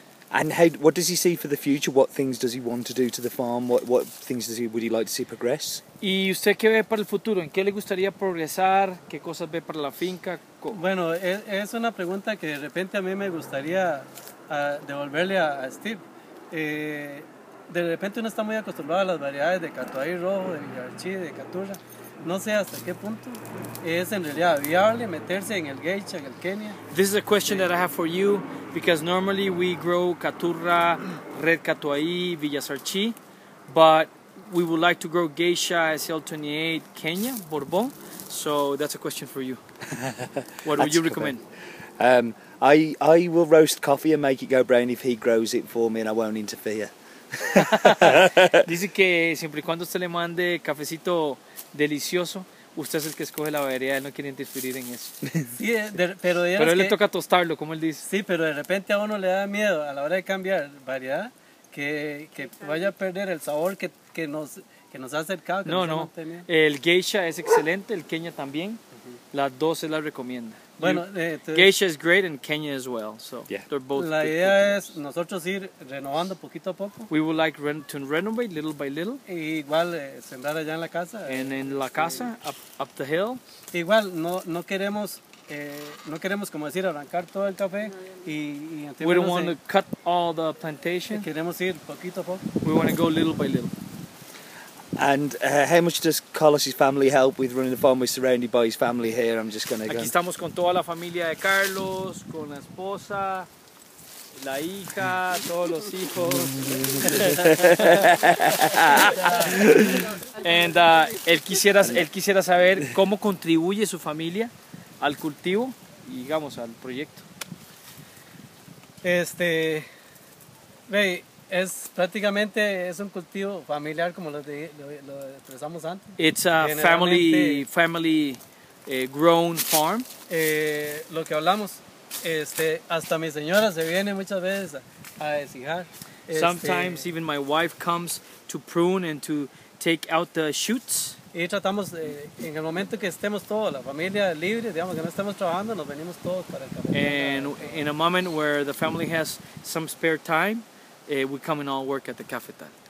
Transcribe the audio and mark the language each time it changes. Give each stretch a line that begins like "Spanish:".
English: And how, what does he see for the future? What things does he want to do to the farm? What things does he would he like to see progress?
Spanish: ¿Y usted qué ve para el futuro? ¿En qué le gustaría progresar? ¿Qué cosas ve para la finca? Bueno, es una pregunta que de repente a mí me gustaría devolverle a Steve. De repente uno está muy acostumbrado a las variedades de Catuay Rojo, de Villarchi, de Caturra. No sé hasta qué punto es en realidad viable meterse en el Geisha, en el Kenia.
English: This is a question that I have for you, because normally we grow Caturra, Red Catuay, Villarchi, but we would like to grow Geisha, SL28, Kenya, Bourbon. So that's a question for you. What would you recommend? I will roast coffee and make it go brown if he grows it for me and I won't interfere.
Spanish: Dice que siempre y cuando usted le mande cafecito delicioso, usted es el que escoge la variedad, él no quiere interferir en eso. Sí, pero a él le toca tostarlo, como él dice. Sí, pero de repente a uno le da miedo a la hora de cambiar variedad que vaya a perder el sabor que nos ha acercado. Que no, no. El Geisha es excelente, el Kenya también. Uh-huh. Las dos se las recomienda. Bueno,
English: Geisha is great and Kenya as well, so yeah. They're both.
Spanish: La idea es nosotros ir renovando poquito a poco.
English: We would like to renovate little by little.
Spanish: Igual sembrar allá en la casa.
English: And in
Spanish: la casa,
English: up the hill.
Spanish: Igual no queremos como decir arrancar todo el café y
English: we don't want to cut all the plantation.
Spanish: Queremos ir poquito a poco.
English: We want to go little by little. And how much does Carlos's family help with running the farm? We're surrounded by his family here. I'm just going to go.
Spanish: Aquí estamos con toda la familia de Carlos, con la esposa, la hija, todos los hijos. And él quisiera saber cómo contribuye su familia al cultivo y digamos al proyecto. Este, hey. Es prácticamente es un cultivo familiar como lo expresamos antes.
English: It's a family grown farm.
Spanish: Lo que hablamos, este, hasta mi señora se viene muchas veces a deshijar.
English: Sometimes even my wife comes to prune and to take out the shoots.
Spanish: Y tratamos en el momento que estemos todos la familia libre, digamos que no estemos trabajando, nos venimos todos para el café.
English: And in a moment where the family has some spare time. We come and all work at the cafetal.